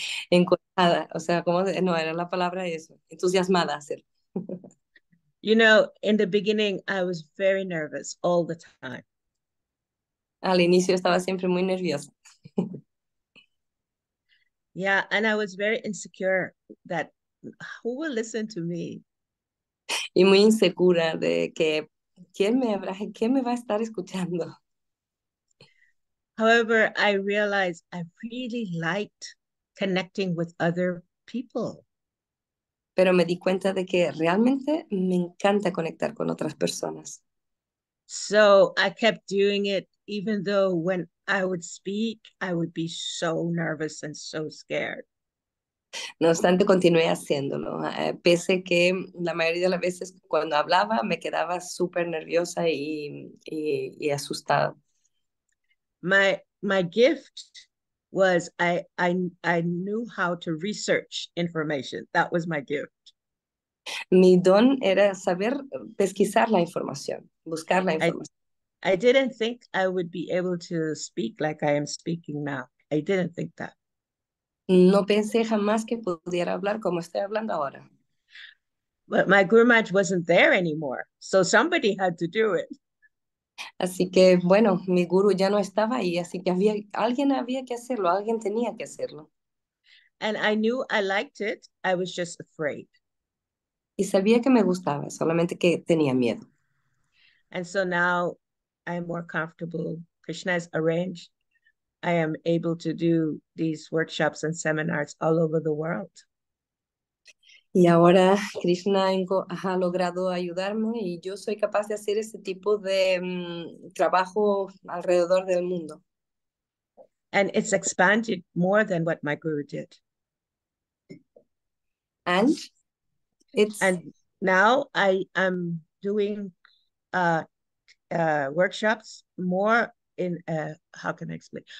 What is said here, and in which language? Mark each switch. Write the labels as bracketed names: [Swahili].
[Spanish] Encantada, o sea, como no era la palabra eso, entusiasmada a hacer. [English] You know, in the beginning, I was very nervous all the time. [Spanish] Al inicio estaba siempre muy nerviosa. [English] Yeah, and I was very insecure that who will listen to me? [Spanish] Y muy insegura de que quién me va a estar escuchando. [English] However, I realized I really liked connecting with other people. [Spanish] Pero me di cuenta de que realmente me encanta conectar con otras personas. [English] So I kept doing it even though when I would speak, I would be so nervous and so scared. [Spanish] No obstante, continué haciéndolo. Pese que la mayoría de las veces cuando hablaba, me quedaba súper nerviosa y asustada. [English] My gift was I knew how to research information. That was my gift. [Spanish] Mi don era saber pesquisar la información, buscar la información. [English] I didn't think I would be able to speak like I am speaking now. I didn't think that. [Spanish] No pensé jamás que pudiera hablar como estoy hablando ahora. [English] But my Guru Maharaj wasn't there anymore, so somebody had to do it. [Spanish] Así que, bueno, mi guru ya no estaba ahí, así que alguien había que hacerlo, alguien tenía que hacerlo. [English] And I knew I liked it, I was just afraid. [Spanish] Y sabía que me gustaba, solamente que tenía miedo. [English] And so now I am more comfortable. Krishna has arranged. I am able to do these workshops and seminars all over the world. [Spanish] Y ahora Krishna ha logrado ayudarme y yo soy capaz de hacer ese tipo de trabajo alrededor del mundo. [English] And it's expanded more than what my guru did. And now I am doing workshops more in, how can I explain?